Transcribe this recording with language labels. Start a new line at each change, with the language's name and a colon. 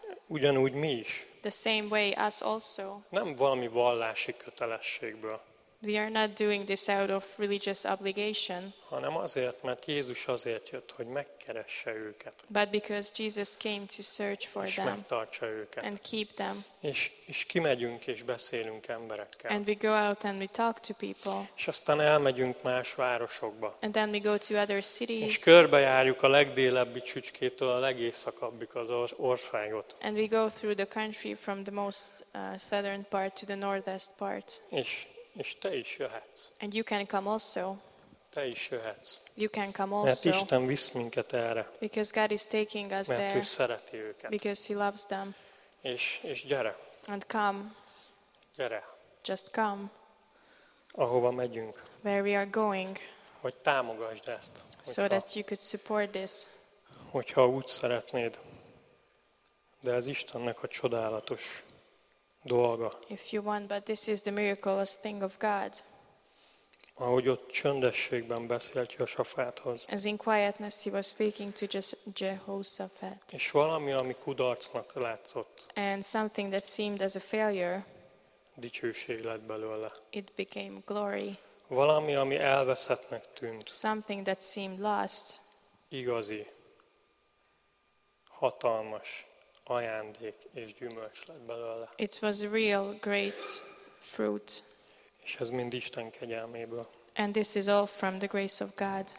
Hungarian: Ugyanúgy mi is.
English: The same way us also.
Hungarian: Nem valami vallási kötelességből.
English: We are not doing this out of religious obligation.
Hungarian: Hanem azért, mert Jézus azért jött, hogy megkeresse őket.
English: But because Jesus came to search for
Hungarian: és
English: them.
Hungarian: És megtartsa őket.
English: And keep them.
Hungarian: És kimegyünk és beszélünk emberekkel.
English: And we go out and we talk to people.
Hungarian: És aztán elmegyünk más városokba.
English: And then we go to other cities.
Hungarian: És körbejárjuk a legdélebbi csücskétől a legészakabbik az országot.
English: And we go through the country from the most southern part to the northest part.
Hungarian: És te is jöhetsz.
English: And you can come also.
Hungarian: Te is jöhetsz.
English: You can come also.
Hungarian: Mert Isten visz minket erre.
English: Because God is taking us
Hungarian: mert
English: there.
Hungarian: Mert ő szereti őket.
English: Because he loves them.
Hungarian: És gyere.
English: And come.
Hungarian: Gyere.
English: Just come.
Hungarian: Ahova megyünk.
English: Where we are going.
Hungarian: Hogy támogasd ezt.
English: So that you could support this.
Hungarian: Hogyha úgy szeretnéd. De ez Istennek a csodálatos dolga.
English: If you want, but this is the miraculous thing of God.
Hungarian: Ahogy ott csöndességben beszélt Jehoshaphathoz.
English: As in quietness he was speaking to just Jehoshaphat.
Hungarian: És valami, ami kudarcnak látszott.
English: And something that seemed as a failure.
Hungarian: Dicsőség lett belőle.
English: It became glory.
Hungarian: Valami, ami elveszettnek tűnt.
English: Something that seemed lost.
Hungarian: Igazi, hatalmas ajándék és gyümölcs lett belőle.
English: It was real great fruit.
Hungarian: És ez mind Isten kegyelméből.
English: And this is all from the grace of God.